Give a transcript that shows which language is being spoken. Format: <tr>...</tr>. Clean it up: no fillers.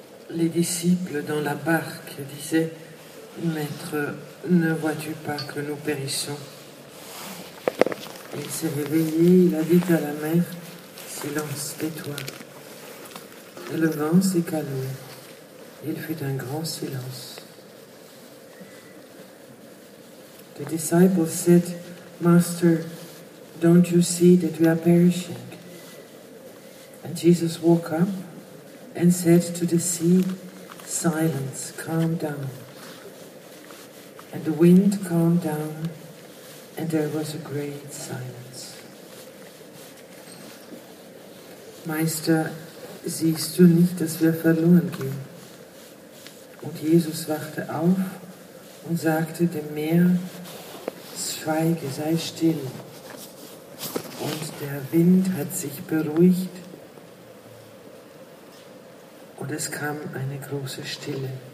<fr>Les disciples dans la barque disaient « Maître, ne vois-tu pas que nous périssons ?» Il s'est réveillé, il a dit à la mer « Silence, tais-toi !» Le vent s'est calmé, il fut un grand silence.</fr> <en>The disciples said « Master, don't you see that we are perishing ?» And Jesus woke up and said to the sea, silence, calm down. And the wind calmed down, and there was a great silence.</en> <de>Meister, siehst du nicht, dass wir verloren gehen? Und Jesus wachte auf und sagte dem Meer, schweige, sei still. Und der Wind hat sich beruhigt, und es kam eine große Stille.</de>